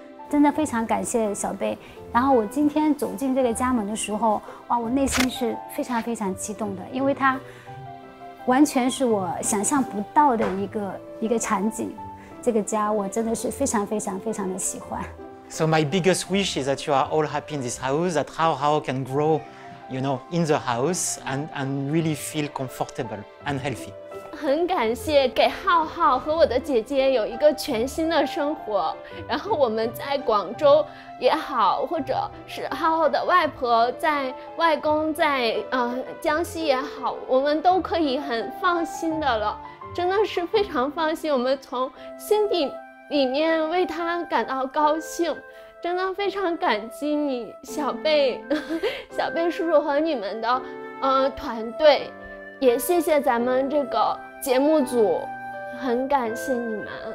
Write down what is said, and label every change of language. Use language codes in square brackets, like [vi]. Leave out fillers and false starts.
[zh] 真的非常感谢小贝。然后我今天走进这个家门的时候，哇，我内心是非常非常激动的，因为它完全是我想象不到的一个场景。这个家我真的是非常非常非常的喜欢。 [en] So my biggest wish is that you are all happy in this house, that how can grow, you know, in the house and really feel comfortable and healthy. [zh] 很感谢给浩浩和我的姐姐有一个全新的生活，然后我们在广州也好，或者是浩浩的外婆在外公在江西也好，我们都可以很放心的了，真的是非常放心，我们从心底里面为他感到高兴，真的非常感激你小贝叔叔和你们的团队，也谢谢咱们这个节目组，很感谢你们，